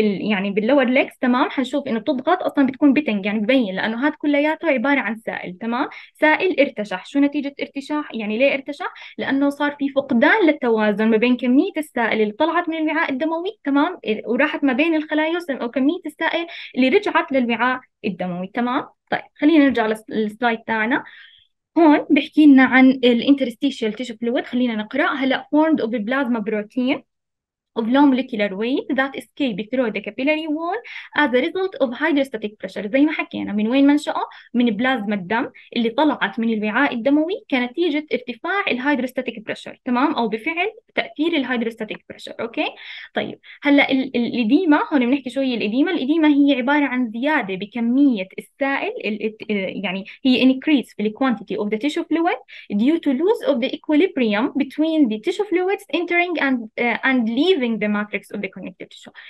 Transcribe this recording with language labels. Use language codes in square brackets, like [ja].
[ar] يعني باللور ليكس، تمام؟ حنشوف انه بتضغط اصلا بتكون بتنج، يعني ببين، لانه هذا كلياته عباره عن سائل، تمام؟ سائل ارتشح، شو نتيجه ارتشاح؟ يعني ليه ارتشح؟ لانه صار في فقدان للتوازن ما بين كميه السائل اللي طلعت من الوعاء الدموي تمام وراحت ما بين الخلايا او كميه السائل اللي رجعت للوعاء الدموي، تمام؟ طيب خلينا نرجع للسلايد تاعنا. هون بحكي لنا عن الانترستيشيال تيشو فلويد، خلينا نقرا. [en] هلا formed of plasma protein of low molecular weight that escape through the capillary wall as a result of hydrostatic pressure. [ar] زي ما حكينا من وين منشأه؟ من بلازما الدم اللي طلعت من الوعاء الدموي كنتيجة ارتفاع الهايدروستاتيك بريشر، تمام؟ أو بفعل تأثير الهايدروستاتيك بريشر، أوكي؟ طيب هلا الإديمة، هون بنحكي شوي الإديمة، الإديمة هي عبارة عن زيادة بكمية السائل، يعني هي increase في [en] the quantity of the tissue fluid due to loss of the equilibrium between the tissue fluids entering and leaving leaving the matrix of the connective tissue.